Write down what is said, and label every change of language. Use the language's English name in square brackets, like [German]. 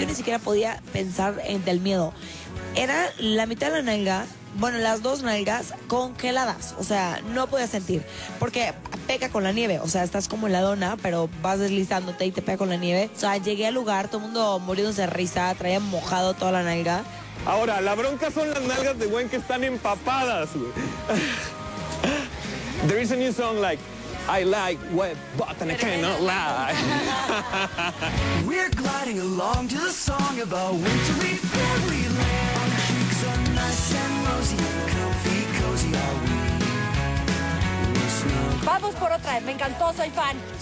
[Spanish] Yo ni siquiera podía pensar en del miedo. Era la mitad de la nalga, bueno, las dos nalgas congeladas. O sea, no podía sentir. Porque pega con la nieve. O sea, estás como en la dona, pero vas deslizándote y te pega con la nieve. O sea, llegué al lugar, todo el mundo muriéndose de risa, traía mojado toda la nalga. Ahora, la bronca son las nalgas de Gwen que están empapadas. [English] There is a new song like, I like wet but and I cannot lie. We're gliding along to the song of a wintry fairyland. Cheeks are nice and rosy, comfy, cozy are we. [Spanish] Vamos por otra vez, me encantó, soy fan.